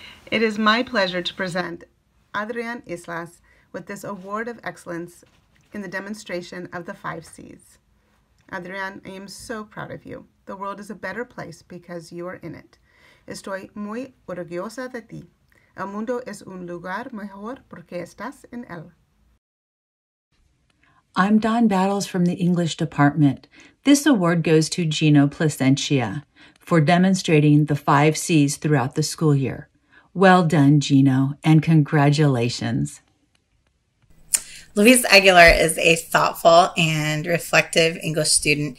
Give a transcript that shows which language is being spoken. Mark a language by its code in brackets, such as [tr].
[en] It is my pleasure to present Adrian Islas with this award of excellence in the demonstration of the 5Cs. Adrian, I am so proud of you. The world is a better place because you are in it. [es] Estoy muy orgullosa de ti. El mundo es un lugar mejor porque estás en él. [en] I'm Don Battles from the English department. This award goes to Gino Placentia for demonstrating the 5Cs throughout the school year. Well done, Gino, and congratulations. Luis Aguilar is a thoughtful and reflective English student.